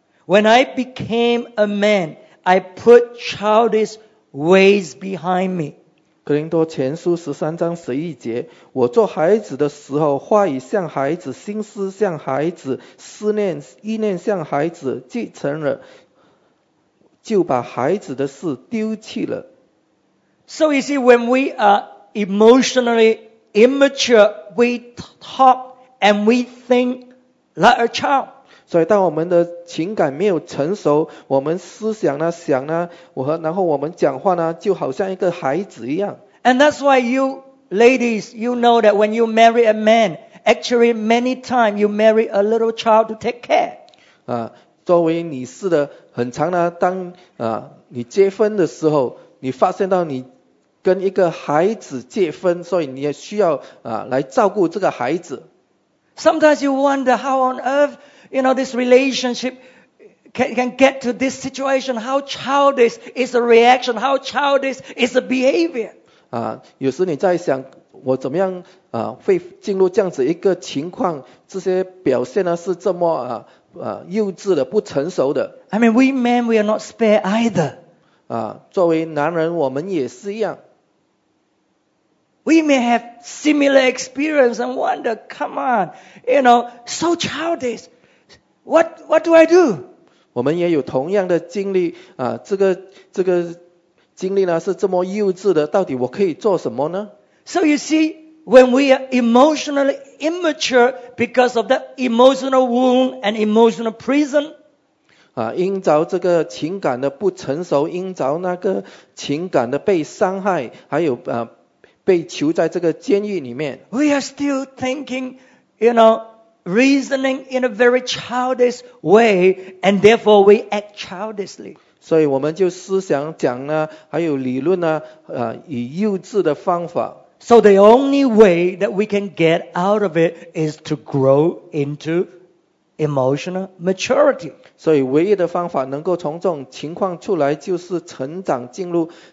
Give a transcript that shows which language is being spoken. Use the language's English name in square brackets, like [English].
[English] When I became a man, I put childish ways behind me. [Chinese] 哥林多前书十三章十一节，我做孩子的时候，话语像孩子，心思像孩子，思念意念像孩子，既成人就把孩子的事丢弃了。 [English] So you see, when we are emotionally immature, we talk and we think like a child. [Chinese] 所以当我们的情感没有成熟，我们思想呢想呢，然后我们讲话呢就好像一个孩子一样。 [English] And that's why you ladies, you know that when you marry a man, actually many times you marry a little child to take care. [Chinese] 作为女士的很长呢，当你结婚的时候，你发现到你跟一个孩子结婚，所以你也需要来照顾这个孩子。 [English] Sometimes you wonder how on earth, you know, this relationship can get to this situation. How childish is the reaction? How childish is the behavior? [Chinese] 有时你在想，我怎么样会进入这样子一个情况？这些表现呢是这么幼稚的、不成熟的。 [English] I mean, we men we are not spare either. [Chinese] 作为男人，我们也是一样。 [English] We may have similar experience and wonder, come on, you know, so childish. What do I do? [Chinese] 我们也有同样的经历这个经历呢是这么幼稚的，到底我可以做什么呢？ [English] So you see, when we are emotionally immature because of that emotional wound and emotional prison, [Chinese] 因着这个情感的不成熟，因着那个情感的被伤害，还有被囚在这个监狱里面。 [English] We are still thinking, you know, reasoning in a very childish way, and therefore we act childishly. [Chinese] 所以我们就思想讲呢，还有理论呢，以幼稚的方法。 [English] So the only way that we can get out of it is to grow into emotional maturity. [Chinese] 所以唯一的方法能够从这种情况出来，就是成长进入。